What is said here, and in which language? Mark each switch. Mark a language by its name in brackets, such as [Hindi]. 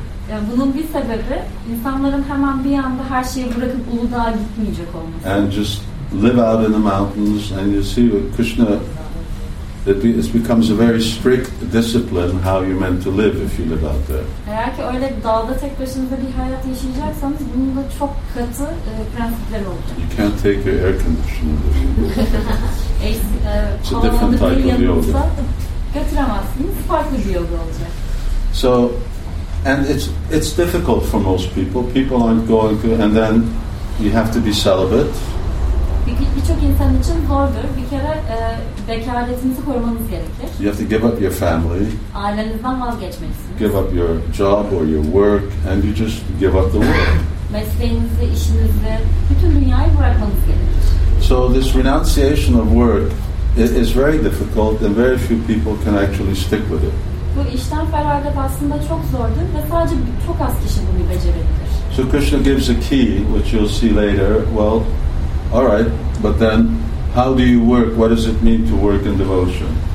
[Turkish] Yani bunun bir sebebi insanların hemen bir anda her şeyi bırakıp Uludağ'a gitmeyecek olması. [English] And just live out in the mountains and you see what Krishna. It becomes a very strict discipline how you're meant to live if you live out there. [Turkish] Eğer ki öyle dağda tek başınıza bir hayat yaşayacaksanız bunun da çok katı prensipler olacak. [English] You can't take your air conditioner. It's a different type of yoga. [Turkish] Götüremezsiniz, farklı bir yoga olacak. [English] So, and it's difficult for most people. People aren't going to, and then you have to be celibate. [Turkish] Birçok insan için zordur. Bir kere bekaretinizi korumanız gerekir. [English] You have to give up your family. [Turkish] Ailenizden vazgeçmelisiniz. [English] Give up your job or your work and you just give up the world. [Turkish] Mesleğinizi, işinizi, bütün dünyayı bırakmanız gerekir. [English] So this renunciation of work is very difficult and very few people can actually stick with it. [Turkish] Bu işten feragat aslında çok zordur ve sadece çok az kişi bunu becerebilir. [English] So Krishna gives a key which you'll see later. Well, all right, but then how do you work? What does it mean to work in devotion?